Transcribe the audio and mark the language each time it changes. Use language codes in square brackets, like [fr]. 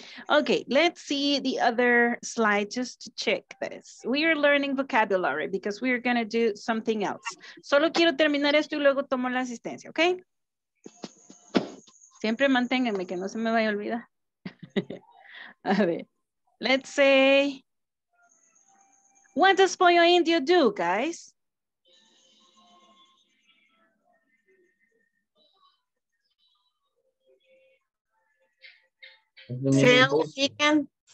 [en] Okay, let's see the other slide just to check this. We are learning vocabulary because we are going to do something else. [es] Solo quiero terminar esto y luego tomo la asistencia, okay? Siempre manténganme que no se me vaya a olvidar. [en] A ver, let's say, what does Pollo Indio do, guys? Sell chicken.